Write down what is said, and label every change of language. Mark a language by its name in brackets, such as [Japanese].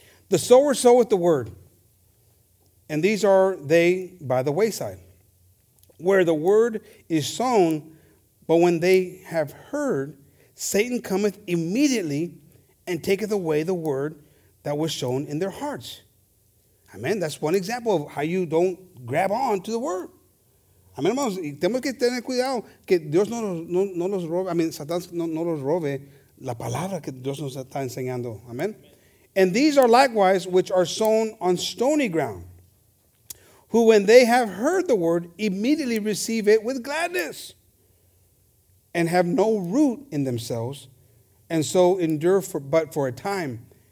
[English] The sower soweth the word, and these are they by the wayside, where the word is sown, but when they have heard, Satan cometh immediately and taketh away the word that was sown in their hearts. Amen. That's one example of how you don't grab on to the word. Amen, hermanos. [Spanish] Tenemos que tener cuidado que Dios no nos robe. [English] I mean, [Spanish] Satan no nos robe la palabra que Dios nos está enseñando. Amen. [English] And these are likewise which are sown on stony ground, who when they have heard the word, immediately receive it with gladness, and have no root in themselves, and so endure but for a time.